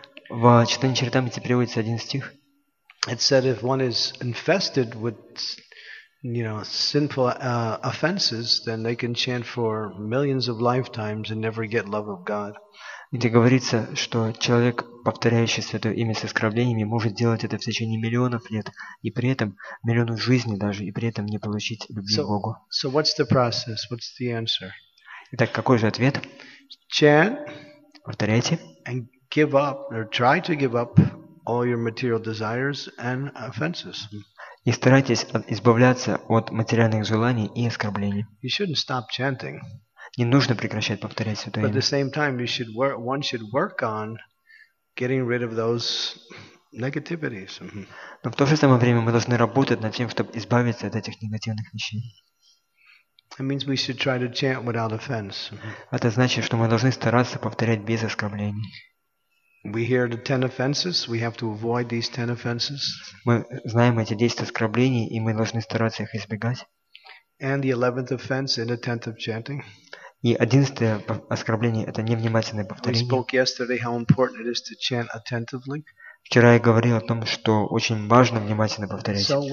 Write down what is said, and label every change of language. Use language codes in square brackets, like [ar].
[ru] В Чайтанья Чаритамрите приводится один стих. [en] It said if one is infested with, you know, sinful offenses, then they can chant for millions of lifetimes and never get love of God. [ru] Где говорится, что человек, повторяющий Святое Имя с оскорблениями, может делать это в течение миллионов лет, и при этом, миллионов жизней даже, и при этом не получить любви к Богу. [en] So what's the process? What's the answer? [ru] Итак, какой же ответ? [en] Chant. [ru] Повторяйте. [en] And give up, or try to give up all your material desires and offenses. [ru] И старайтесь избавляться от материальных желаний и оскорблений. [en] You shouldn't stop chanting. [ru] Не нужно прекращать повторять Святое Имя. [en] But at the same time, you should work, one should work on getting rid of those negativities. [ru] Но в то же самое время мы должны работать над тем, чтобы избавиться от этих негативных вещей. [en] That means we should try to chant without offense. [ru] Это значит, что мы должны стараться повторять без оскорблений. [en] We hear the 10 offenses. We have to avoid these 10 offenses. [ru] Мы знаем эти 10 оскорблений, и мы должны стараться их избегать. [en] And the 11th offense in the 10th of chanting. [ru] И одиннадцатое оскорбление – это невнимательное повторение. Вчера я говорил о том, что очень важно внимательно повторять.